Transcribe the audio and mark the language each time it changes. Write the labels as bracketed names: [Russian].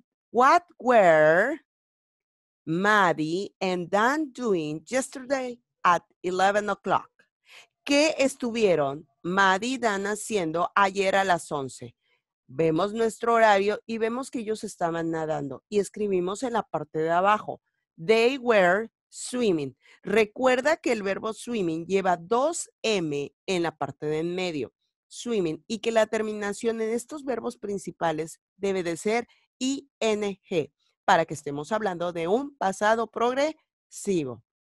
[English] What were Maddy and Dan doing yesterday at 11 o'clock? [Spanish] ¿Qué estuvieron Maddy y Dan haciendo ayer a las 11? Vemos nuestro horario y vemos que ellos estaban nadando. Y escribimos en la parte de abajo, [English] they were swimming. [Spanish] Recuerda que el verbo swimming lleva dos M en la parte de en medio, swimming, y que la terminación en estos verbos principales debe de ser ing, para que estemos hablando de un pasado progresivo.